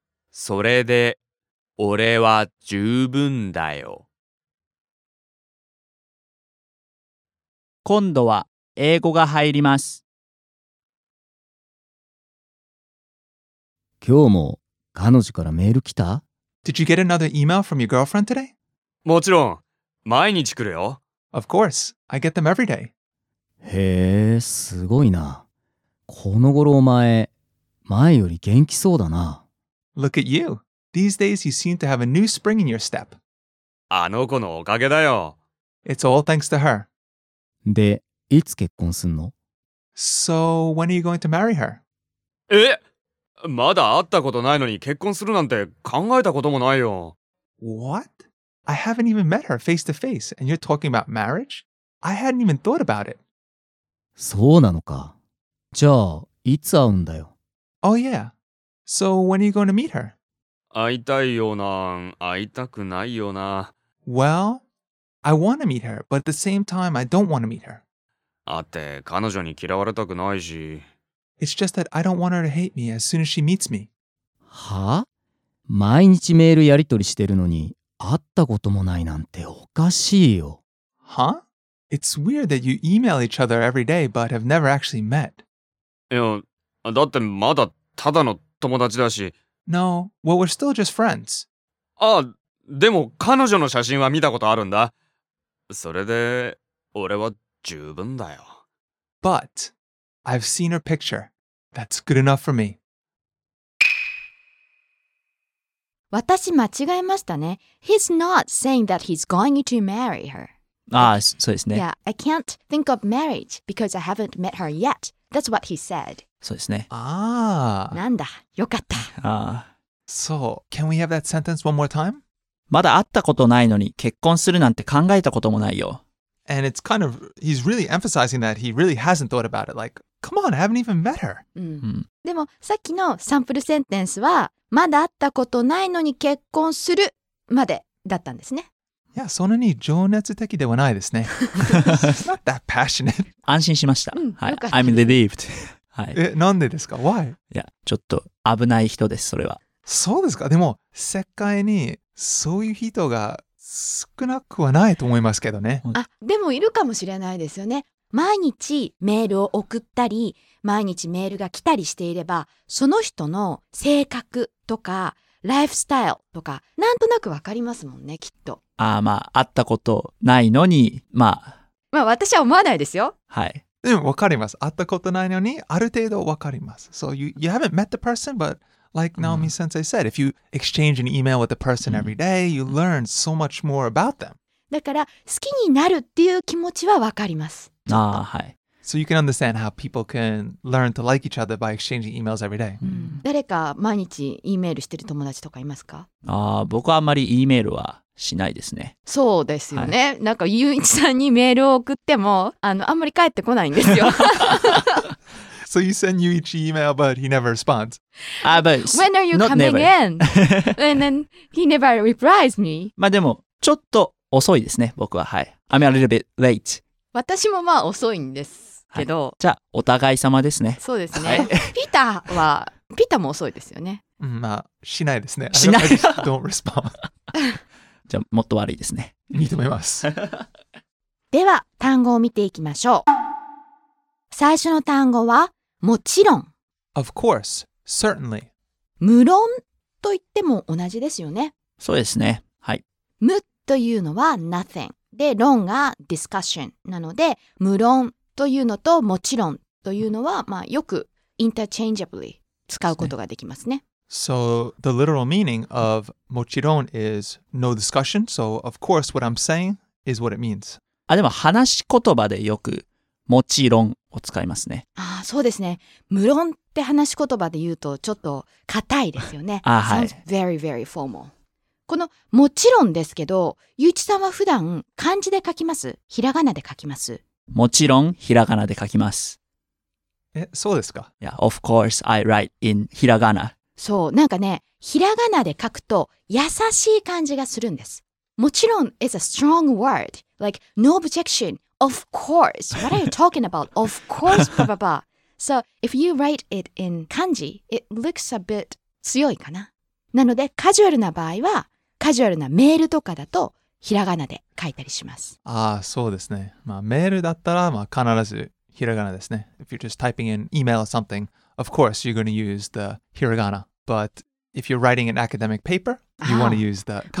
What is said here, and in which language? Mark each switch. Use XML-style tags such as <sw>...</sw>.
<ja>それで俺は十分だよ。今度は英語が入ります。今日も彼女からメール来た？</ja> <en>Did you get another email from your girlfriend today?</en> <ja>もちろん、毎日来るよ。</ja> <en>Of course, I get them every day.</en> <ja>へえ、すごいな。この頃お前、前より元気そうだな。</ja> <en>Look at you. These days you seem to have a new spring in your step.</en> <ja>あの子のおかげだよ。</ja> <en>It's all thanks to her.</en> <ja>で、いつ結婚すんの？</ja> <en>So, when are you going to marry her?</en> <ja>え？まだ会ったことないのに結婚するなんて考えたこともないよ。</ja> <en>What? I haven't even met her face to face and you're talking about marriage? I hadn't even thought about it.</en> <ja>そうなのか。じゃあ、いつ会うんだよ。</ja> <en>Oh yeah. So when are you going to meet her?</en> <ja>会いたいような、会いたくないような。</ja> <en>Well, I want to meet her, but at the same time I don't want to meet her.</en> <ja>会って彼女に嫌われたくないし。</ja> <en>It's just that I don't want her to hate me as soon as she meets me.</en> <ja>は？毎日メールやり取りしてるのに会ったこともないなんておかしいよ。は？</ja> <en>It's weird that you email each other every day but have never actually met.</en> <ja>いや、だってまだただの友達だし。</ja> <en>No, well, we're still just friends.</en> <ja>あ、でも彼女の写真は見たことあるんだ。それで俺は十分だよ。</ja> <en>But... I've seen her picture. That's good enough for me.</en> <ja>私間違えましたね。</ja> <en>He's not saying that he's going to marry her.</en> <ja>ああ、そうですね。</ja> <en>Yeah, I can't think of marriage because I haven't met her yet. That's what he said.</en> <ja>そうですね。ああ。なんだ、よかった。ああ。</ja> <en>So, can we have that sentence one more time?</en> <ja>まだ会ったことないのに結婚するなんて考えたこともないよ。</ja> <en>And it's kind of, he's really emphasizing that he really hasn't thought about it. Like, come on, I haven't even met her.</en> <ja>でもさっきのサンプルセンテンスはまだ会ったことないのに結婚するまでだったんですね。いや、そんなに情熱的ではないですね。</ja> <en>Not that passionate.</en> <ja>安心しました。</ja> <en>I'm relieved.</en> <ja>なんでですか?</ja> <en>Why?</en> <ja>いや、ちょっと危ない人です、それは。そうですか。でも世界にそういう人が少なくはないと思いますけどね。あ、でもいるかもしれないですよね。毎日メールを送ったり、毎日メールが来たりしていれば、その人の性格とか、ライフスタイルとか、なんとなくわかりますもんね、きっと。ああ、まあ、会ったことないのに、まあ。まあ、私は思わないですよ。はい。でも、わかります。会ったことないのに、ある程度わかります。</ja> <en>So, you haven't met the person, but... Like Naomi Sensei said, if you exchange an email with a person every day, you learn so much more about them.</en> <ja>だから好きになるっていう気持ちはわかります。ああ、はい。</ja> <en>So you can understand how people can learn to like each other by exchanging emails every day.</en> <ja>誰か毎日 E メールしてる友達とかいますか？ああ、僕はあんまり E メールはしないですね。そうですよね。はい、なんかゆういちさんにメールを送ってもあんまり返ってこないんですよ。</ja> <en>So you send Yuichi email, but he never responds. But when are you coming in? And then he never replies me.</en> <ja>まあでもちょっと遅いですね、僕は。</ja> <en>はい。I'm a little bit late.</en> <ja>私もまあ遅いんですけど。はい、じゃあお互い様ですね。そうですね。ピーターは、ピーターも遅いですよね。まあしないですね。しない。</ja> <en>Don't respond.</en> <ja>じゃあもっと悪いですね。認めます。では単語を見ていきましょう。最初の単語はもちろん。</ja> <en>Of course, certainly.</en> <ja>無論と言っても同じですよね。そうですね。はい。無というのは nothing で、論が discussion なので、無論というのともちろんというのは、まあ、よく interchangeably 使うことができますね。</ja> <en>So the literal meaning of もちろん is no discussion. So of course, what I'm saying is what it means.</en> <ja>あ、でも話し言葉でよくもちろんを使いますね。ああ、そうですね。無論って話し言葉で言うとちょっと硬いですよね。あ、はい。</ja> <en>Sounds very, very formal.</en> <ja>このもちろんですけど、ゆうちさんは普段漢字で書きます？ひらがなで書きます？もちろんひらがなで書きます。え、そうですか。</ja> <en>Yeah, of course I write in ひらがな。</en> <ja>そう、なんかね、ひらがなで書くと優しい感じがするんです。</ja> <en>もちろん is a strong word, like no objection. Of course. What are you talking about? Of course, blah, blah, blah. So, if you write it in kanji, it looks a bit</en> <ja>強いかな。なので、カジュアルな場合は、カジュアルなメールとかだと、ひらがなで書いたりします。ああ、そうですね。まあ、メールだったら、まあ、必ずひらがなですね。</ja> <en>If you're just typing in email or something, of course, you're going to use the ひらがな. But if you're writing an academic paper, you want to use the kanji.</en>